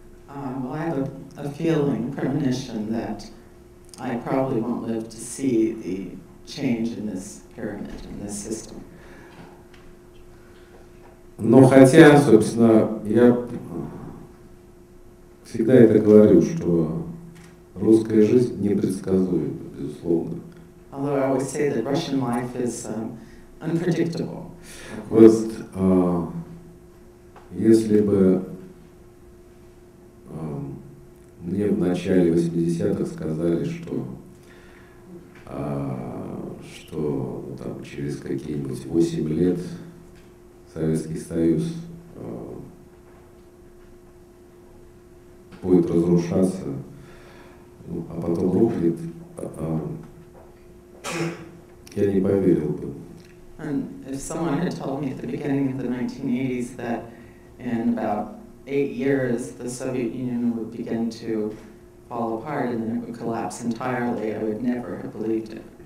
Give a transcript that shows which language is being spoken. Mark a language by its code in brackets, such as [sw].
[en] Well, I have a feeling, premonition, that I probably won't live to see the change in this pyramid, in this system. [ru] Но хотя, собственно, я всегда это говорю, что русская жизнь непредсказуема, безусловно. [en] Although I always say that Russian life is unpredictable. [ru] Вот если бы мне в начале 80-х сказали, что, что ну, там, через какие-нибудь 8 лет Советский Союз будет разрушаться, ну, а потом рухнет, я не поверил бы. [en] And if someone had told me at the beginning of the 1980s that in about 8 years the Soviet Union would begin to fall apart and then it would collapse entirely, I would never have believed it.